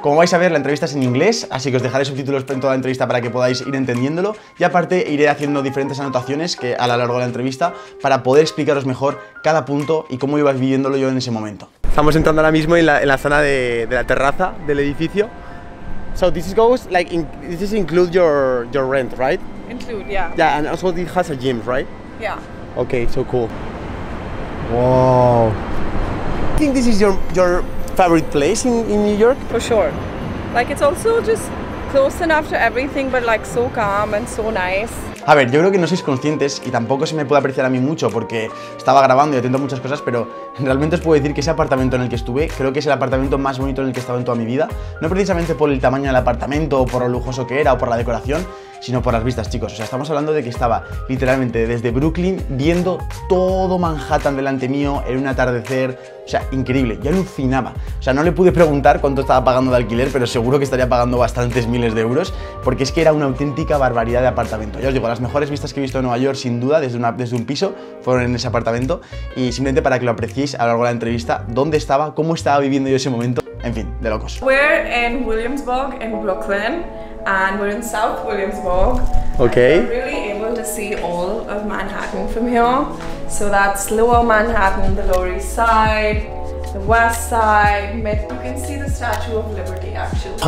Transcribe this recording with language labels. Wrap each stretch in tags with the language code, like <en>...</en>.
<es>Como vais a ver, la entrevista es en inglés, así que os dejaré subtítulos en toda la entrevista para que podáis ir entendiéndolo. Y aparte iré haciendo diferentes anotaciones que a lo largo de la entrevista para poder explicaros mejor cada punto y cómo ibas viviéndolo yo en ese momento. Estamos entrando ahora mismo en la zona de la terraza del edificio.</es> <en>So this goes like this is include your rent, right? Include, yeah. Yeah, and also it has a gym, right? Yeah. Okay, so cool. Wow. I think this is your favorite place in New York? For sure. Like, it's also just close enough to everything, but like so calm and so nice.</en> <es>A ver, yo creo que no sois conscientes y tampoco se me puede apreciar a mí mucho porque estaba grabando y atento a muchas cosas, pero realmente os puedo decir que ese apartamento en el que estuve creo que es el apartamento más bonito en el que he estado en toda mi vida. No precisamente por el tamaño del apartamento o por lo lujoso que era o por la decoración, sino por las vistas, chicos. O sea, estamos hablando de que estaba literalmente desde Brooklyn viendo todo Manhattan delante mío en un atardecer. O sea, increíble. Yo alucinaba. O sea, no le pude preguntar cuánto estaba pagando de alquiler, pero seguro que estaría pagando bastantes miles de euros porque es que era una auténtica barbaridad de apartamento. Ya os digo, las mejores vistas que he visto en Nueva York, sin duda, desde un piso, fueron en ese apartamento. Y simplemente para que lo apreciéis a lo largo de la entrevista, dónde estaba, cómo estaba viviendo yo ese momento, en fin, de locos.</es> <en>We're in Williamsburg, in Brooklyn, and we're in South Williamsburg. Okay. And we're really able to see all of Manhattan from here. So that's Lower Manhattan, the Lower East Side, the West Side, you can see the Statue of Liberty, actually.</en>